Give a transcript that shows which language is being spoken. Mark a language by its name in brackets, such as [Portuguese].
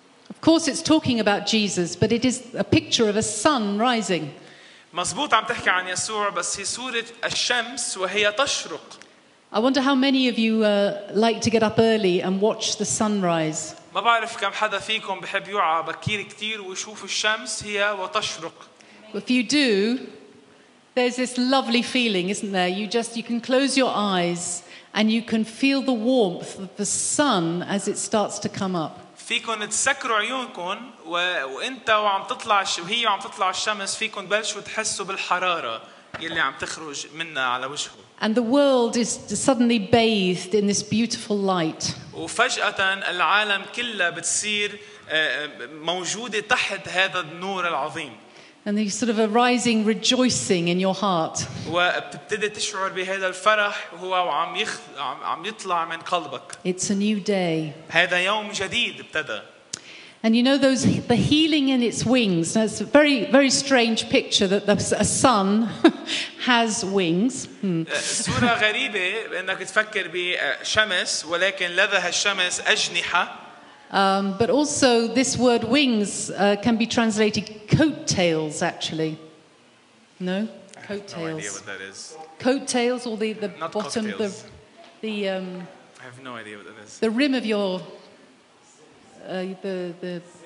[English] Of course, it's talking about Jesus, but it is a picture of a sun rising. [Arabic] مزبوط عم تحكي عن يسوع بس هي صورة الشمس وهي تشرق. [English] I wonder how many of you like to get up early and watch the sunrise. [Arabic] ما بعرف كم حدا فيكم بحب يوعى بكير كتير ويشوف الشمس هي وتشرق. [English] If you do, there's this lovely feeling, isn't there? You can close your eyes and you can feel the warmth of the sun as it starts to come up. [Arabic] فيكن تسكروا عيونكن وانت وعم تطلع وهي عم تطلع الشمس فيكن تبلشوا تحسوا بالحرارة يلي عم تخرج منها على وجهه. [English] And the world is suddenly bathed in this beautiful light. [Arabic] وفجأة العالم كله بتصير موجودة تحت هذا النور العظيم. [English] And there's sort of a rising rejoicing in your heart. [Arabic] وبتبتدي تشعر بهذا الفرح وهو عم يطلع من قلبك. [English] It's a new day. [Arabic] هذا يوم جديد ابتدى. [English] And you know those the healing in its wings. Now it's a very very strange picture that a sun has wings. [Arabic] صورة غريبة إنك تفكر بشمس ولكن لذها الشمس أجنحة. [English] But also this word wings can be translated coattails actually. No? Coattails. I have no idea what that is. Coattails or the bottom coat-tails. the I have no idea what that is. The rim of your the